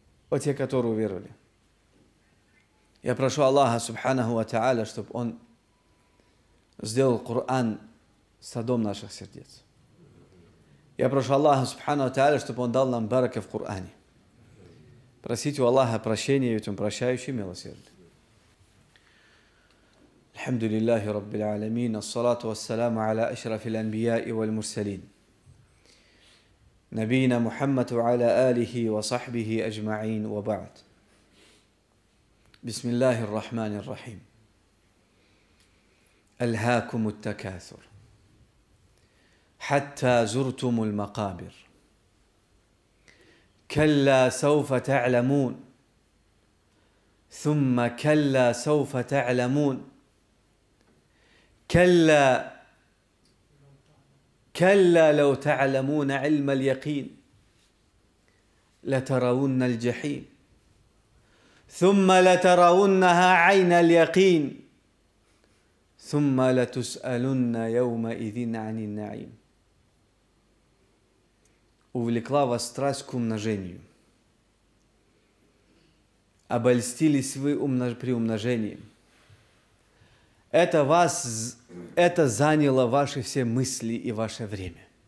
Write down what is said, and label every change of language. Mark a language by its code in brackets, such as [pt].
[ru] О те, которые уверовали. Я прошу Аллаха, субханаху ва тааля, чтобы Он сделал Коран садом наших сердец. Я прошу Аллаха, субханаху ва тааля, чтобы Он дал нам барака в Коране. Просить у Аллаха прощения, ведь Он прощающий и милосердный. [ar] الحمد لله رب العالمين الصلاة والسلام على أشرف الأنبياء والمرسلين نبينا محمد وعلى آله وصحبه أجمعين وبعد بسم الله الرحمن الرحيم ألهاكم التكاثر حتى زرتم المقابر كلا سوف تعلمون ثم كلا سوف تعلمون كلا كلا لو تعلمون علم اليقين لترون الجحيم ثم لترونها عين اليقين ثم لتسألن يومئذ عن النعيم. [ru] Увлекла вас страсть к умножению. Обольстились вы при умножении. Это заняло ваши все мысли и ваше время.